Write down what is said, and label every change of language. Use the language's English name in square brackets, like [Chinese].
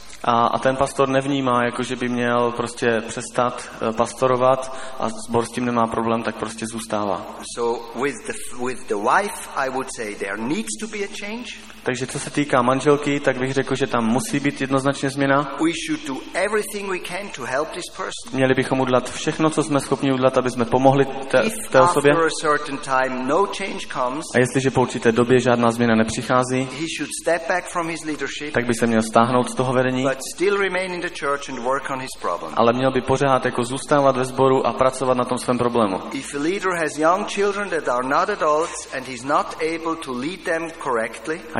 [Czech] A ten pastor nevnímá, jako že by měl prostě přestat pastorovat a sbor s tím nemá problém, tak prostě zůstává. [English] So with the wife, I would say there needs to be a change. [Czech] Takže co se týká manželky, tak bych řekl, že tam musí být jednoznačně změna. [English] We should do everything we can to help this person. [Czech] Měli bychom udělat všechno, co jsme schopni udělat, aby jsme pomohli té osobě. [English] After a certain time no change comes. [Czech] A jestliže po určité době žádná změna nepřichází, [English] he should step back from his leadership. [Czech] Tak by se měl stáhnout z toho vedení. [English] But still remain in the church and work on his problem. [Czech] Ale měl by pořád jako zůstávat ve sboru a pracovat na tom svém problému. [English] If a leader has young children that are not adults and he's not able to lead them correctly.